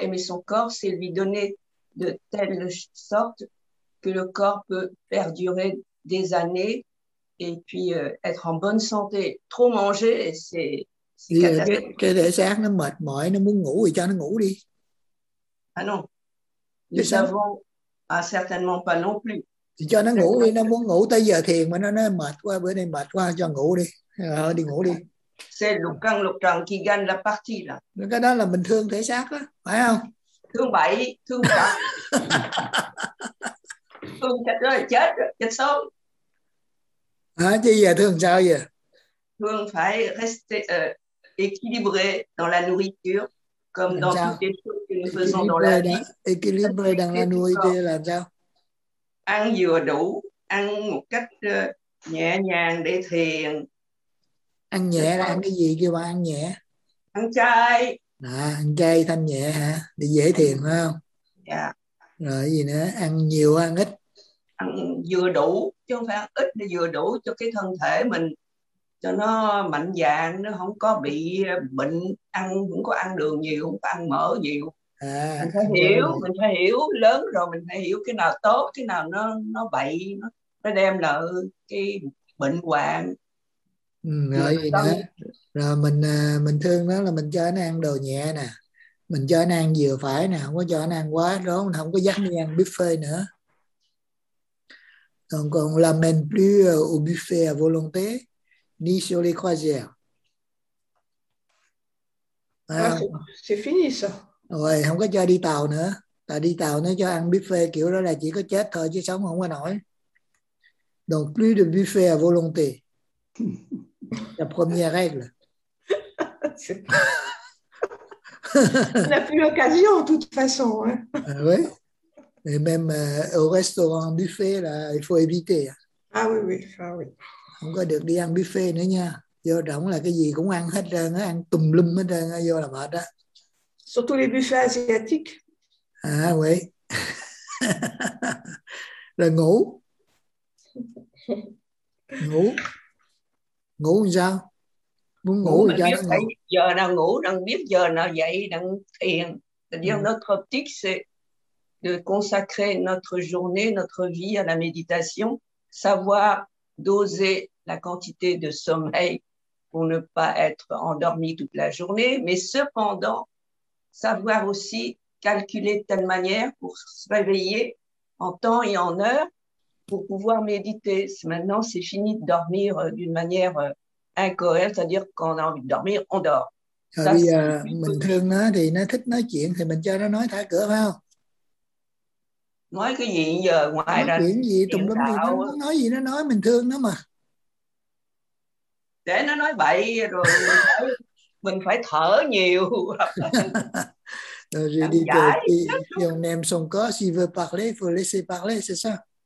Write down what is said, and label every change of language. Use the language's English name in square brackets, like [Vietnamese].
[French] Aimer son corps, c'est lui donner de telle sorte que le corps peut perdurer des années et puis être en bonne santé. Trop manger, c'est catastrophique. Ah non, nous savons certainement pas non plus. [Vietnamese] Thì cho nó ngủ đi, nó muốn ngủ tới giờ thiền mà nó mệt quá, bữa nay mệt quá, cho ngủ đi, đi ngủ đi. [French] C'est lục căng lục trần qui gagne la partie là. [Vietnamese] Cái đó là mình thương thể xác á, phải không? Thương bảy, thương cả. Thương chết rồi, chết rồi, chết sớm. À, chứ giờ thương sao vậy? [French] Thương phải rester équilibré dans la nourriture, comme dans toutes les choses que nous faisons dans la vie. Équilibré dans la nourriture [Vietnamese] là sao? Ăn vừa đủ, ăn một cách nhẹ nhàng để thiền. Ăn nhẹ là ăn cái gì kêu bà ăn nhẹ? Ăn chay. Đó, ăn chay thanh nhẹ hả? Để dễ thiền phải không? Dạ. Rồi gì nữa? Ăn nhiều ăn ít? Ăn vừa đủ, chứ không phải ăn ít, để vừa đủ cho cái thân thể mình, cho nó mạnh dạn, nó không có bị bệnh, ăn cũng có ăn đường nhiều, cũng có ăn mỡ nhiều. À, mình phải hiểu, rồi. Mình phải hiểu, lớn rồi mình phải hiểu cái nào tốt, cái nào nó bậy, nó đem lại cái bệnh hoạn. Rồi, gì nữa? Rồi mình thương nó là mình cho nó ăn đồ nhẹ nè, mình cho nó ăn vừa phải nè, không có cho nó ăn quá đó, mình không có dắt đi ăn buffet nữa. [French] Donc on l'amène plus au buffet à volonté ni sur les croisières. C'est fini ça. [Vietnamese] Rồi không có cho đi tàu nữa, tại đi tàu nó cho ăn buffet kiểu đó là chỉ có chết thôi chứ sống không có nổi. [French] Donc plus de buffet à volonté. La première règle. On n'a plus l'occasion de toute façon. Hein. Ah, oui. Et même au restaurant buffet, là, il faut éviter. Ah oui, oui. Ah, oui. On ne peut pas aller à un buffet, [Vietnamese] nữa nha. Vô rộng là cái gì cũng ăn hết trơn, ăn tùm lum hết trơn, vô là mệt đó. [French] Surtout les buffets asiatiques. Ah oui. [Vietnamese] Là ngủ. Ngủ. Ngủ sao? Muốn ngủ thì cho nó ngủ. Giờ nào ngủ, đang biết giờ nào dậy, đang thiền. [French] C'est-à-dire notre optique, c'est de consacrer notre journée, notre vie à la méditation, savoir doser la quantité de sommeil pour ne pas être endormi toute la journée, mais cependant, savoir aussi calculer de telle manière pour se réveiller en temps et en heure pour pouvoir méditer. Maintenant, c'est fini de dormir d'une manière incohérente, c'est-à-dire quand on a envie de dormir, on dort. [Vietnamese] Ça, bây giờ, mình thương nó thì nó thích nói chuyện thì mình cho nó nói thả cửa phải không? Nói cái gì giờ ngoài nói ra chuyện gì tùm lum gì nó nói gì nó nói mình thương nó mà để nó nói bậy rồi mình phải thở nhiều. [French] Donc j'ai dit que si on aime son corps, s'il veut parler, il faut laisser parler, c'est ça.